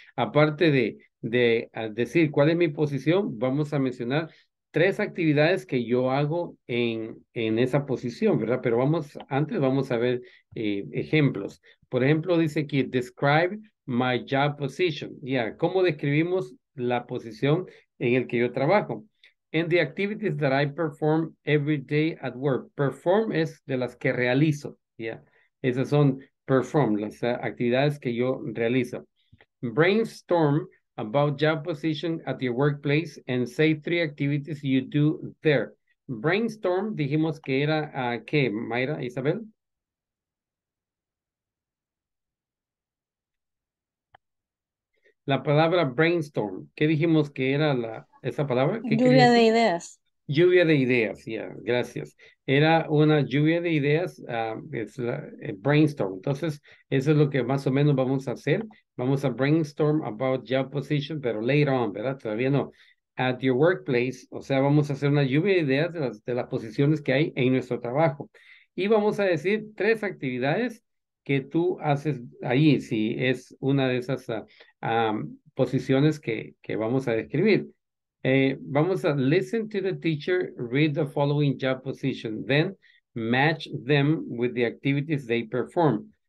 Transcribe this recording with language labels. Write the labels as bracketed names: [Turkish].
[Spanish] Aparte de decir cuál es mi posición, vamos a mencionar tres actividades que yo hago en esa posición, ¿verdad? Pero vamos, antes vamos a ver ejemplos. Por ejemplo, dice aquí, [English] describe my job position. [Spanish] Yeah, ¿cómo describimos la posición en el que yo trabajo? [English] And the activities that I perform every day at work. [Spanish] Perform es de las que realizo. Yeah, esas son perform, las actividades que yo realizo. [English] Brainstorm about job position at your workplace and say three activities you do there. [Spanish] Brainstorm, dijimos que era, ¿qué, Mayra, Isabel? La palabra brainstorm, ¿qué dijimos que era esa palabra? ¿Qué Lluvia querías? de ideas. Lluvia de ideas, ya, yeah, gracias. Era una lluvia de ideas, es brainstorm. Entonces, eso es lo que más o menos vamos a hacer. Vamos a brainstorm [English] about job position, [Spanish] pero [English] later on, [Spanish] ¿verdad? Todavía no. [English] At your workplace, [Spanish] o sea, vamos a hacer una lluvia de ideas de las posiciones que hay en nuestro trabajo. Y vamos a decir tres actividades que tú haces ahí, si es una de esas posiciones que vamos a describir. Vamos a [English] listen to the teacher read the following job position, then match them with the activities they perform.